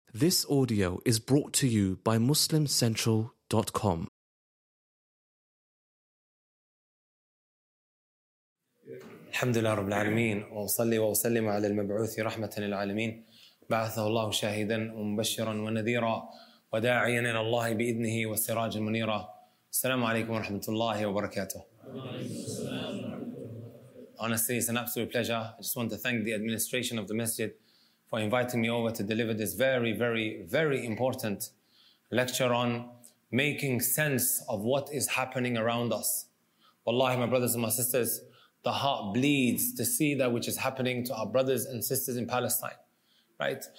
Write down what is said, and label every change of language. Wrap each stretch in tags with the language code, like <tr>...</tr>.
<en>This audio is brought to you by MuslimCentral.com.</en> <ar>الحمد لله رب العالمين وصلي وسلم على المبعوث رحمة للعالمين بعثه الله شاهدا ومبشرا ونذيرا وداعيا إلى الله بإذنه والسراج المنيرا. السلام عليكم ورحمة الله وبركاته.</ar> <en>Honestly, it's an absolute pleasure. I just want to thank the administration of the masjid for inviting me over to deliver this very, very, very important lecture on making sense of what is happening around us. Wallahi, my brothers and my sisters, the heart bleeds to see that which is happening to our brothers and sisters in Palestine, right?</en>